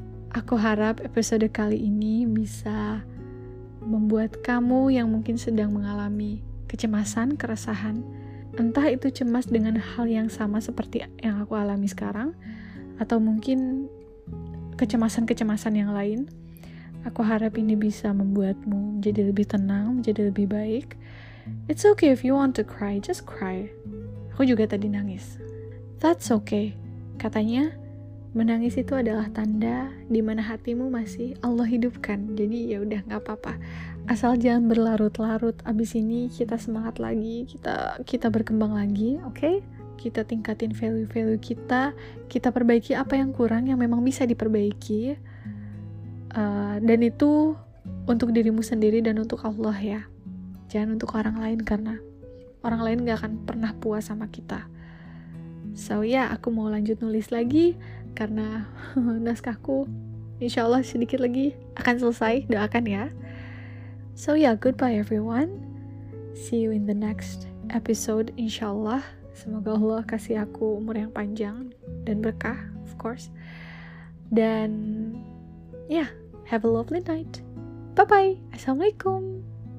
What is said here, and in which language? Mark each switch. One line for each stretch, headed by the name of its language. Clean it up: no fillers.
Indonesian: Aku harap episode kali ini bisa membuat kamu yang mungkin sedang mengalami kecemasan, keresahan, entah itu cemas dengan hal yang sama seperti yang aku alami sekarang, atau mungkin kecemasan-kecemasan yang lain, aku harap ini bisa membuatmu menjadi lebih tenang, menjadi lebih baik.
English: It's okay if you want to cry, just cry.
Indonesian: Aku juga tadi nangis.
English: That's okay.
Indonesian: Katanya, menangis itu adalah tanda di mana hatimu masih Allah hidupkan. Jadi ya udah nggak apa-apa. Asal jangan berlarut-larut. Abis ini kita semangat lagi, kita berkembang lagi, okay? Kita tingkatin value-value kita, kita perbaiki apa yang kurang yang memang bisa diperbaiki. Dan itu untuk dirimu sendiri dan untuk Allah ya. Jangan untuk orang lain karena orang lain gak akan pernah puas sama kita. So ya, aku mau lanjut nulis lagi karena naskahku insya Allah sedikit lagi akan selesai, doakan ya.
English: So ya, goodbye everyone. See you in the next episode insya Allah.
Indonesian: Semoga Allah kasih aku umur yang panjang dan berkah,
English: of course.
Indonesian: Dan ya,
English: yeah, have a lovely night. Bye-bye. Assalamualaikum.